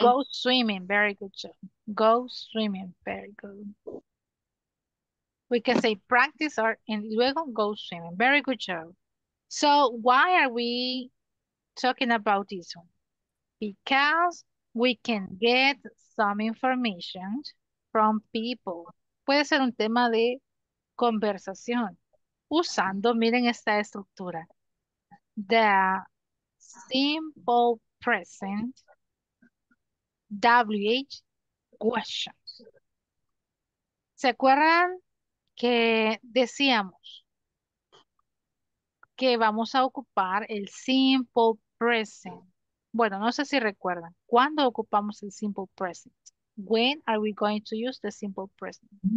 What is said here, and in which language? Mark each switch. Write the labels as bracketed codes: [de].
[en] Go swimming, very good job. Go swimming, very good. We can say practice or and luego go swimming, very good job. So why are we talking about this one? Because we can get some information from people. [es] Puede ser un tema de conversación usando, miren esta estructura. [en] The simple present WH questions. [es] ¿Se acuerdan que decíamos que vamos a ocupar el simple present? Bueno, no sé si recuerdan. ¿Cuándo ocupamos el simple present? [en] When are we going to use the simple present?